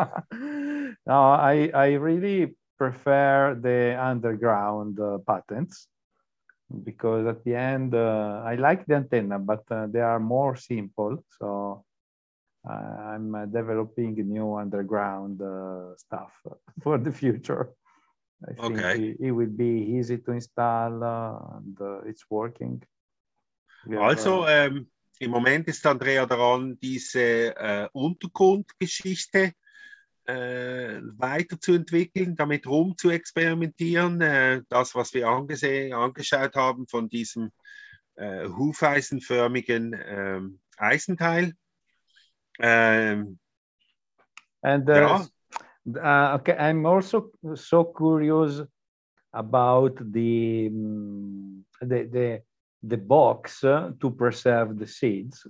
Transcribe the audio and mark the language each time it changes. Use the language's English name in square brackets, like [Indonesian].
[English] No, I really prefer the underground patents because at the end I like the antenna, but they are more simple. So I'm developing new underground stuff for the future. I think it will be easy to install and it's working. [German] Also, im Moment ist Andrea daran, diese Untergrundgeschichte weiterzuentwickeln, damit rum zu experimentieren. Das, was wir angeschaut haben von diesem hufeisenförmigen Eisenteil. [English] Okay, I'm also so curious about the box to preserve the seeds.